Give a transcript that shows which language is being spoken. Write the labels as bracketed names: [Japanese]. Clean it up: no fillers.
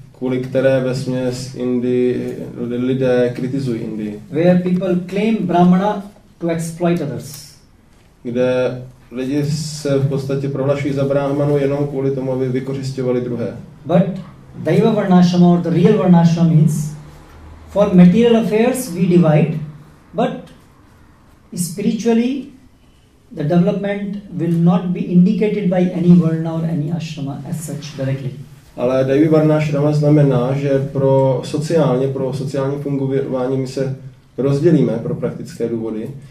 [Czech] Kvůli které vesměs Indii, lidé kritizují Indii. [English] Where people claim brahmana to exploit others. [Czech] Kde lidi se v podstatě prohlašují za brahmanu jenom kvůli tomu, aby vykořisťovali druhé. [English] But daiva varnashrama or the real varnashrama means for material affairs we divide, but spiritually the development will not be indicated by any varna or any ashrama as such directly. [Czech] Ale daiva varnashrama znamená, že pro sociální fungování my se rozdělíme pro praktické důvody.